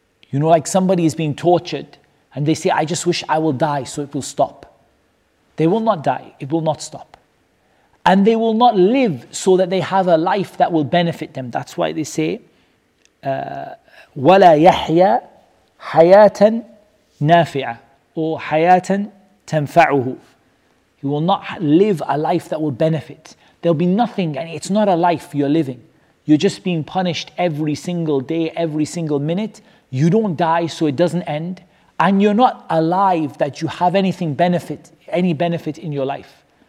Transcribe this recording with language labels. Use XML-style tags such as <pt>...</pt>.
<en>You know, like somebody is being tortured and they say, I just wish I will die so it will stop. They will not die, it will not stop. And they will not live so that they have a life that will benefit them. That's why they say,</en> <ar>وَلَا يَحْيَى حَيَاةً نَافِعًا or حَيَاةً تَنْفَعُهُ.</ar> <en>You will not live a life that will benefit. There'll be nothing, and it's not a life you're living. You're just being punished every single day, every single minute. You don't die, so it doesn't end. And you're not alive that you have any benefit in your life.</en>